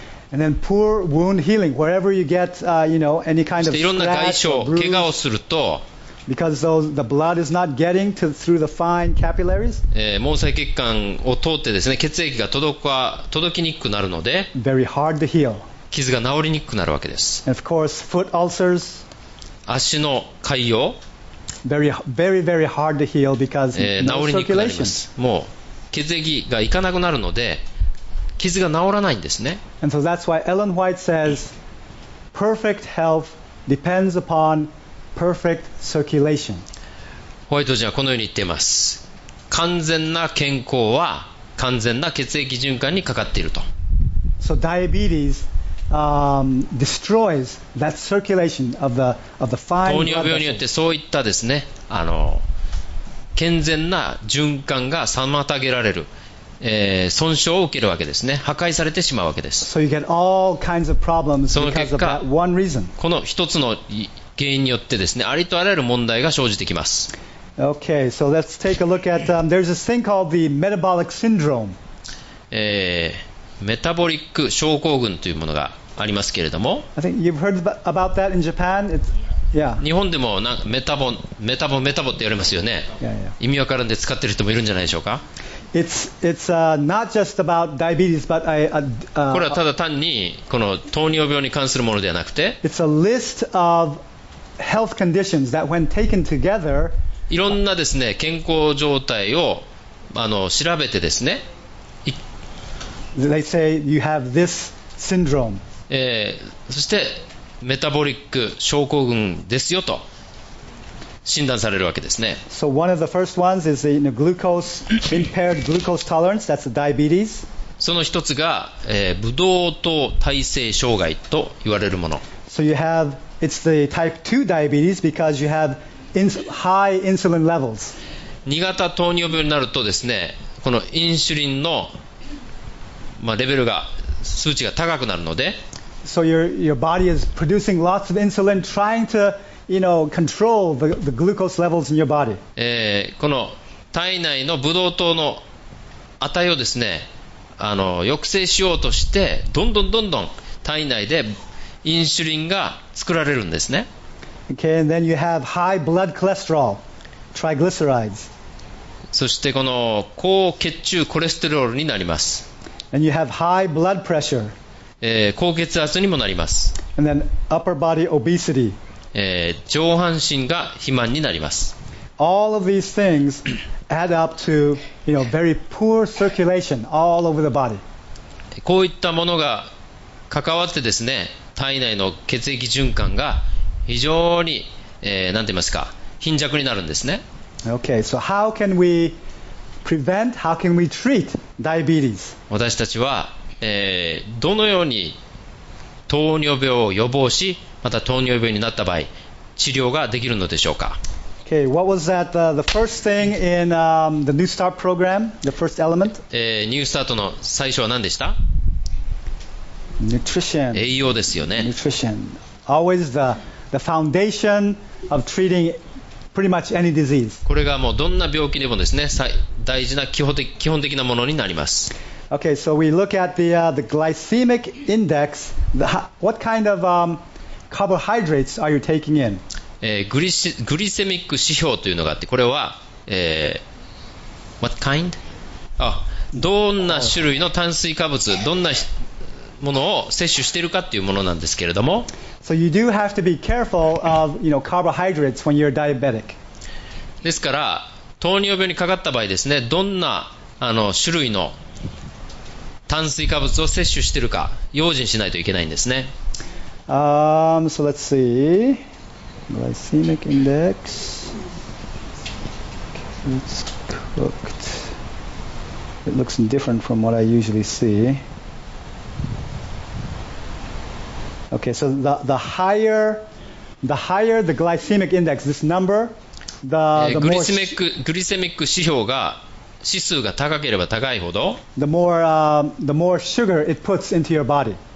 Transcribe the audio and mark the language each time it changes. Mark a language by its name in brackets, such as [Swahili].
[English] And then poor wound healing, wherever you get, you know, any kind of scratch or bruise. [Japanese] いろんな外傷、怪我をすると。 [English] Because the blood is not getting through the fine capillaries. [Japanese] 毛細血管を通ってですね、血液が届きにくくなるので、 [English] very hard to heal. [Japanese] 傷が治りにくくなるわけです。 [English] And of course, foot ulcers. [Japanese] 足の潰瘍。 [English] Very, very, very hard to heal because no circulation. [Japanese] 治りにくくなります。もう血液がいかなくなるので、傷が治らないんですね。 [English] And so that's why Ellen White says, perfect health depends upon Perfect circulation. [Japanese] ホワイト人はこのように言っています。完全な健康は完全な血液循環にかかっていると。 [English] So diabetes, destroys that circulation of the fine blood vessels. [Japanese] 糖尿病によってそういったですね、健全な循環が妨げられる、損傷を受けるわけですね、破壊されてしまうわけです。 [English] So you get all kinds of problems because of that one reason. [Japanese] その結果、この一つの原因によってですね、ありとあらゆる問題が生じてきます。 [English] Okay, so let's take a look at, there's this thing called the metabolic syndrome. [Japanese] メタボリック症候群というものがありますけれども、 [English] I think you've heard about that in Japan. Yeah. [Japanese] 日本でもなんかメタボって言われますよね。 [English] Yeah. [Japanese] 意味わからんで使ってる人もいるんじゃないでしょうか。 [English] It's not just about diabetes, but [Japanese] これはただ単にこの糖尿病に関するものではなくて、 [English] It's a list ofHealth conditions that when taken together, [Japanese] いろんなですね、健康状態を調べてですね、 [English] they say you have this syndrome. [Japanese] そしてメタボリック症候群ですよと診断されるわけですね。 [English] So one of the first ones is in a glucose impaired glucose tolerance. That's a diabetes. [Japanese] その一つが、ブドウ糖耐性障害と言われるもの。 [English] So you have it's the type 2 diabetes because you have high insulin levels. [Japanese] 2型糖尿病になるとですね、このインシュリンの、まあ、レベルが数値が高くなるので。 [English] So your body is producing lots of insulin, trying to control the glucose levels in your body. [Japanese] この体内のブドウ糖の値をですね、抑制しようとして、どんどんどんどん体内でインシュリンが作られるんですね。 [English] Okay, and then you have high blood cholesterol, triglycerides. [Japanese] そしてこの高血中コレステロールになります。 [English] And you have high blood pressure. [Japanese] 高血圧にもなります。 [English] And then upper body obesity. [Japanese] 上半身が肥満になります。 [English] All of these things add up to, very poor circulation all over the body. [Japanese] こういったものが関わってですね、体内の血液循環が非常に、なんて言いますか、貧弱になるんですね。 [English] Okay, so how can we prevent, how can we treat diabetes? [Japanese] 私たちは、どのように糖尿病を予防し、また糖尿病になった場合、治療ができるのでしょうか。 [English] Okay, what was that, the first thing in, the New Start program, the first element? [Japanese] New Startの最初は何でした？ [English] Nutrition. [Japanese] 栄養ですよね。 [English] Nutrition. Always the foundation of treating pretty much any disease. [Japanese] これがもうどんな病気でもですね、大事な基本的なものになります。 [English] Okay, so we look at the glycemic index. What kind of carbohydrates are you taking in? [Japanese] グリセミック指標というのがあって、これは、 [English] what kind? [Japanese] どんな種類の炭水化物、どんなものを摂取しているかというものなんですけれども。 [English] So you do have to be careful of, carbohydrates when you're diabetic. [Japanese] ですから、糖尿病にかかった場合ですね、どんな種類の炭水化物を摂取しているか用心しないといけないんですね。 [English] So let's see. Glycemic index. It's cooked. It looks different from what I usually see. Okay, so the higher the glycemic index, this number, the more. [Japanese] グリセミック指標が指数が高ければ高いほど [English] the more sugar it puts into your body.